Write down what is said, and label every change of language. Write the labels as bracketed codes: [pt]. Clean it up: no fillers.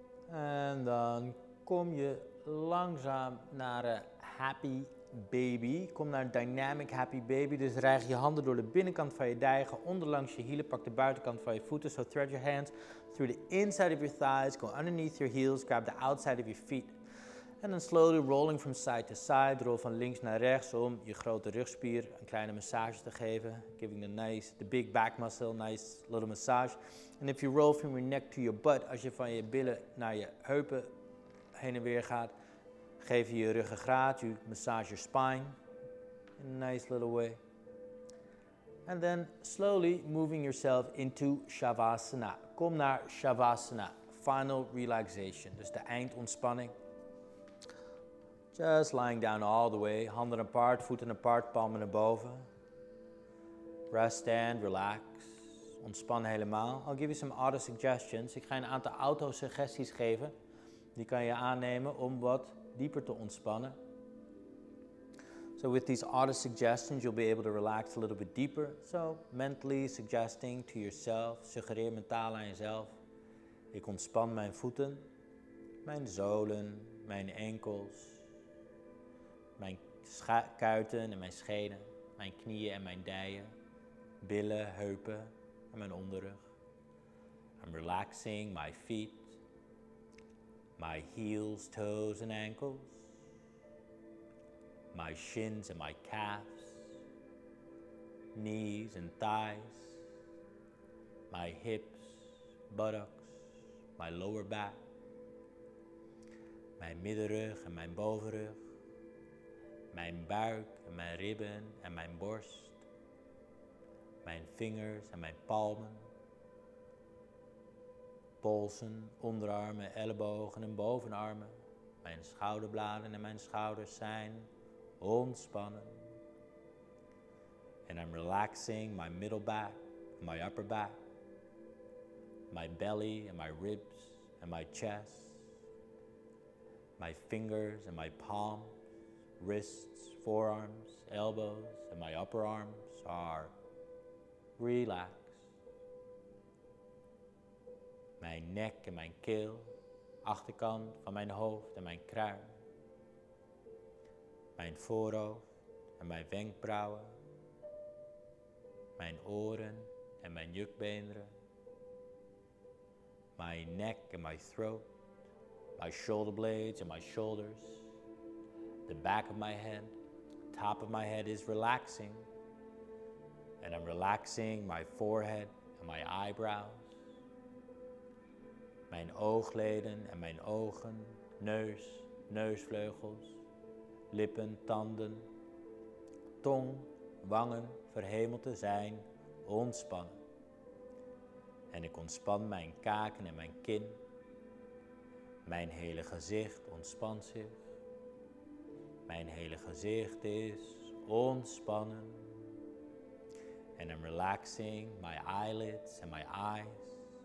[nl] En dan kom je langzaam naar een happy baby. Kom naar een dynamic happy baby. Dus reig je handen door de binnenkant van je dijen, onderlangs je hielen, pak de buitenkant van je voeten. [en] So thread your hands through the inside of your thighs, go underneath your heels, grab the outside of your feet. [nl] En dan [en] slowly rolling from side to side, [nl] rol van links naar rechts om je grote rugspier een kleine massage te geven. [en] Giving the nice, the big back muscle, nice little massage. And if you roll from your neck to your butt, [nl] als je van je billen naar je heupen heen en weer gaat, geef je je ruggengraat, [en] you massage your spine in a nice little way. And then slowly moving yourself into Shavasana. [nl] Kom naar Shavasana, [en] final relaxation, [nl] dus de eindontspanning. [en] Just lying down all the way, [nl] handen apart, voeten apart, palmen naar boven. [en] Rest and relax. [nl] Ontspan helemaal. [en] I'll give you some other suggestions. [nl] Ik ga een aantal auto-suggesties geven. Die kan je aannemen om wat dieper te ontspannen. [en] So with these other suggestions, you'll be able to relax a little bit deeper. So mentally suggesting to yourself, [nl] suggereer mentaal aan jezelf. Ik ontspan mijn voeten, mijn zolen, mijn enkels. Mijn kuiten en mijn schenen, mijn knieën en mijn dijen, billen, heupen en mijn onderrug. [en] I'm relaxing my feet, my heels, toes and ankles, my shins and my calves, knees and thighs, my hips, buttocks, my lower back, [nl] mijn middenrug en mijn bovenrug. Mijn buik en mijn ribben en mijn borst. Mijn vingers en mijn palmen. Polsen, onderarmen, ellebogen en bovenarmen. Mijn schouderbladen en mijn schouders zijn ontspannen. [en] And I'm relaxing my middle back, my upper back. My belly and my ribs and my chest. My fingers and my palms. Wrists, forearms, elbows, and my upper arms are relaxed. [nl] Mijn nek en mijn keel, achterkant van mijn hoofd en mijn kruin. Mijn voorhoofd en mijn wenkbrauwen. Mijn oren en mijn jukbeenderen. Mijn nek en mijn [en] throat. My shoulder blades and my shoulders. The back of my head, top of my head is relaxing. And I'm relaxing my forehead and my eyebrows. [nl] Mijn oogleden en mijn ogen, neus, neusvleugels, lippen, tanden, tong, wangen, verhemelte zijn, ontspannen. En ik ontspan mijn kaken en mijn kin. Mijn hele gezicht ontspant zich. Mijn hele gezicht is ontspannen. [en] And I'm relaxing my eyelids and my eyes.